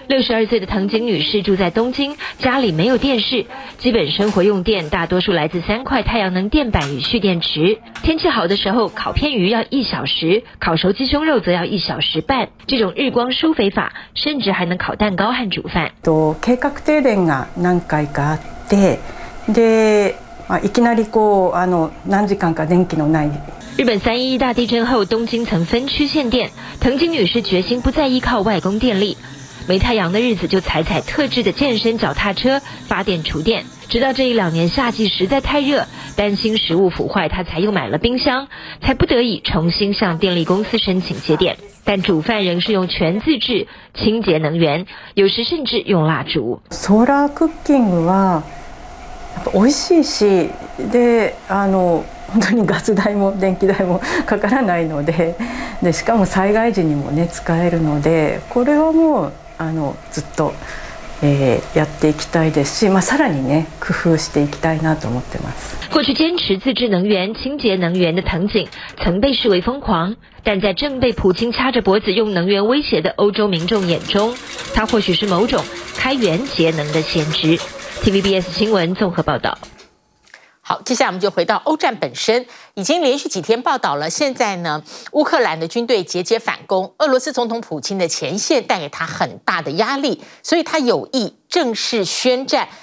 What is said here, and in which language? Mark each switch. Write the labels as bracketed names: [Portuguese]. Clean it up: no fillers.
[Chinese] 62岁的藤井女士住在东京，家里没有电视，基本生活用电大多数来自3块太阳能电板与蓄电池。天气好的时候，烤片鱼要1小时，烤熟鸡胸肉则要1小时半。这种日光疏肥法，甚至还能烤蛋糕和煮饭。 [Japanese] と計画停電が何回かあって、で、いきなりこう何時間か電気のない。 [Chinese] 日本311大地震后，东京曾分区限电，藤井女士决心不再依靠外供电力，没太阳的日子就踩特制的健身脚踏车发电储电，直到这一两年夏季实在太热，担心食物腐坏，她才又买了冰箱，才不得已重新向电力公司申请节电。但煮饭仍是用全自制清洁能源，有时甚至用蜡烛。 [Japanese] ソーラークッキングはやっぱ美味しいし、で本当にガス代も電気代もかからないの でしかも災害時にも、ね、使えるので、これはもうずっとやっていきたいですし、さらに、ね、工夫していきたいなと思ってます。 [Chinese] 过去坚持自制能源、清洁能源的藤井曾被视为疯狂，但在正被普京掐着脖子用能源威胁的欧洲民众眼中，他或许是某种开源节能的先知。 TVBS 新闻综合报道。好，接下来我们就回到欧战本身，已经连续几天报道了，现在呢，乌克兰的军队节节反攻，俄罗斯总统普京的前线带给他很大的压力，所以他有意正式宣战。